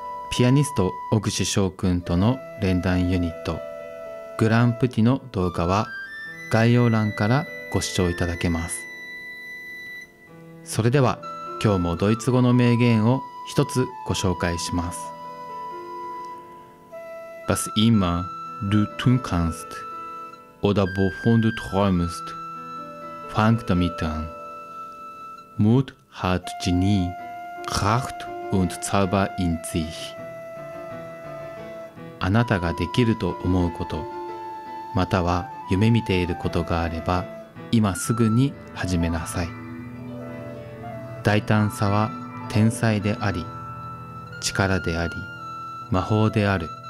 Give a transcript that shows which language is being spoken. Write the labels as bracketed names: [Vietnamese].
[Japanese] ピアニスト小口翔くんとの連弾ユニットグランプティの動画は概要欄からご視聴いただけます。それでは今日もドイツ語の名言を一つご紹介します。 [German] Was immer du tun kannst oder wovon du träumst fang damit an Mut hat Genie Kraft und Zauber in sich。 [Japanese] あなたができると思うこと、または夢見ていることがあれば、今すぐに始めなさい。大胆さは天才であり、力であり、魔法である。